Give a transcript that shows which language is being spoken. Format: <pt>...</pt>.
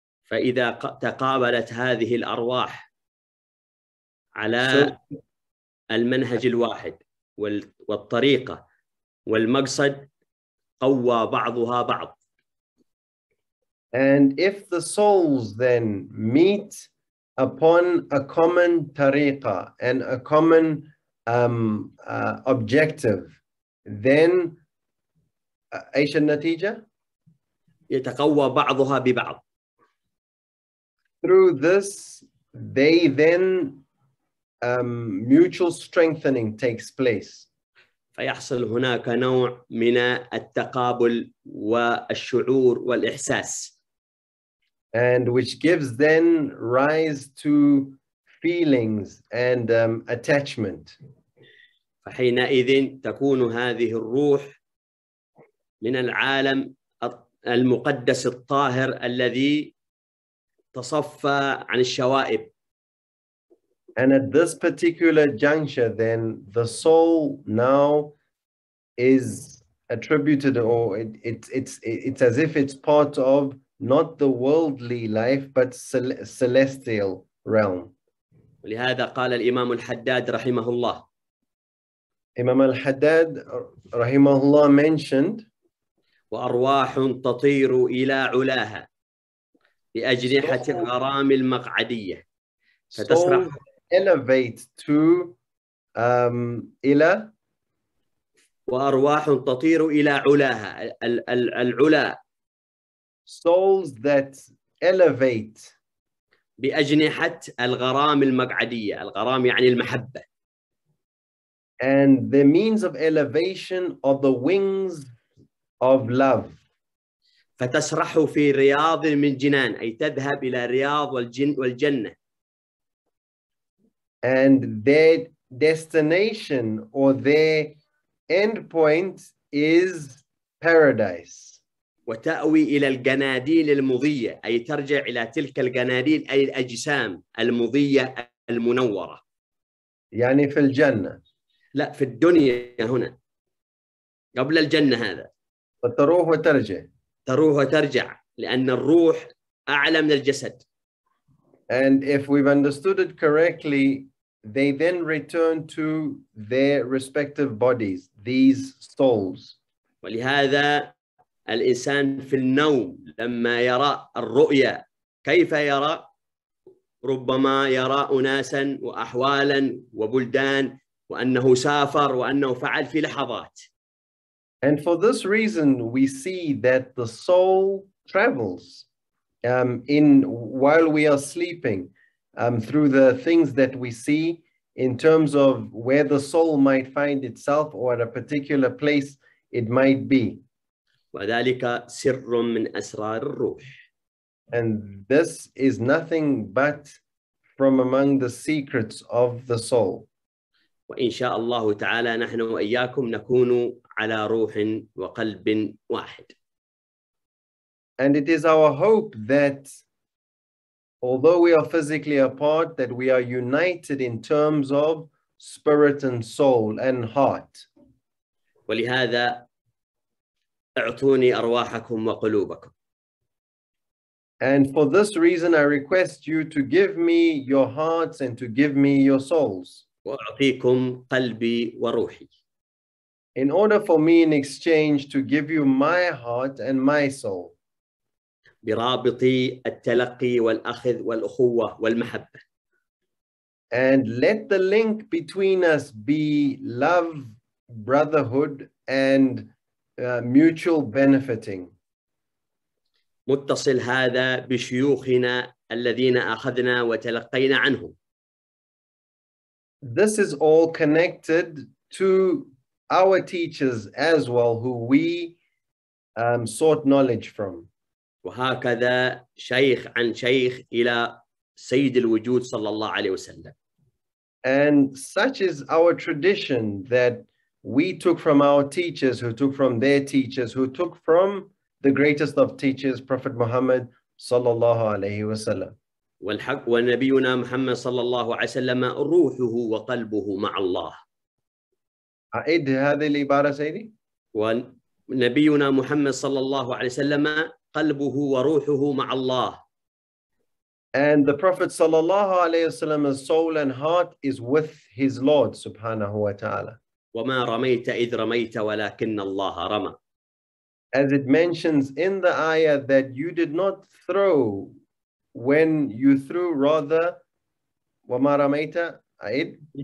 <ar>فإذا تقابلت هذه الأرواح على المنهج الواحد والطريقة والمقصد قوى بعضها بعض.</ar> <en>And if the souls then meet upon a common tariqa and a common objective, then</en> <ar>ايش النتيجة؟ يتقوى بعضها ببعض.</ar> <en>Through this, they then mutual strengthening takes place.</en> <ar>فيحصل هناك نوع من التقابل والشعور والإحساس.</ar> <en>And which gives then rise to feelings and attachment.</en> <ar>فحينئذ تكون هذه الروح من العالم المقدس الطاهر الذي تصفى عن الشوائب.</ar> <en>And at this particular juncture, then the soul now is attributed, or it's as if it's part of not the worldly life but celestial realm.</en> <ar>ولهذا قال الإمام الحداد رحمه الله. إمام الحداد رحمه الله</ar> <en>mentioned.</en> <ar>وأرواح تطير إلى علاها بأجنحة الغرام المقعدية. فتسرح.</ar> <en>Elevate to</en> <ar>إلى. وأرواح تطير إلى علاها العلا.</ar> <en>Souls that elevate</en> <ar>بأجنحة الغرام المقعدية. الغرام يعني المحبة.</ar> <en>And the means of elevation are the wings of love.</en> <ar>فتسرح في رياض من جنان, أي تذهب إلى رياض والجنة.</ar> <en>And their destination or their end point is paradise.</en> <ar>وتأوي إلى الجناديل المضية, أي ترجع إلى تلك الجناديل, أي الأجسام المضية المنورة. يعني في الجنة. لا, في الدنيا هنا قبل الجنة هذا. فتروح وترجع. تروح وترجع, لأن الروح أعلى من الجسد.</ar> <en>And if we've understood it correctly, they then return to their respective bodies, these souls.</en> <ar>ولهذا الإنسان في النوم لما يرى الرؤيا كيف يرى؟ ربما يرى أناسا وأحوالا وبلدان وأنه سافر وأنه فعل في لحظات.</ar> <en>And for this reason, we see that the soul travels while we are sleeping through the things that we see in terms of where the soul might find itself or at a particular place it might be.</en> <ar>وذلك سر من أسرار الروح.</ar> <en>And this is nothing but from among the secrets of the soul.</en> <ar>وإن شاء الله تعالى نحن وإياكم نكون على روح وقلب واحد.</ar> <en>And it is our hope that although we are physically apart, that we are united in terms of spirit and soul and heart.</en> <ar>ولهذا أعطوني أرواحكم وقلوبكم.</ar> <en>And for this reason, I request you to give me your hearts and to give me your souls.</en> <ar>وأعطيكم قلبي وروحي.</ar> <en>In order for me in exchange to give you my heart and my soul.</en> <ar>برابطي التلقي والأخذ والأخوة والمحبة.</ar> <en>And let the link between us be love, brotherhood, and mutual benefiting.</en> <ar>متصل هذا بشيوخنا الذين أخذنا وتلقينا عنهم.</ar> <en>This is all connected to our teachers as well, who we sought knowledge from.</en> <ar>وهكذا شيخ عن شيخ إلى سيد الوجود صلى الله عليه وسلم.</ar> <en>And such is our tradition that we took from our teachers, who took from their teachers, who took from the greatest of teachers, Prophet Muhammad</en> <ar>صلى الله عليه وسلم. والحق ونبينا محمد صلى الله عليه وسلم روحه وقلبه مع الله. أعد هذه العبارة سيدي. ونبينا محمد صلى الله عليه وسلم قلبه وروحه مع الله.</ar> <en>And the Prophet</en> <ar>صلى الله عليه وسلم's</ar> <en>soul and heart is with his Lord</en> <ar>سبحانه وتعالى. وما رميت إذ رميت ولكن الله رمى.</ar> <en>As it mentions in the ayah that you did not throw when you threw, rather,</en> <ar>وما رميت أعد.</ar>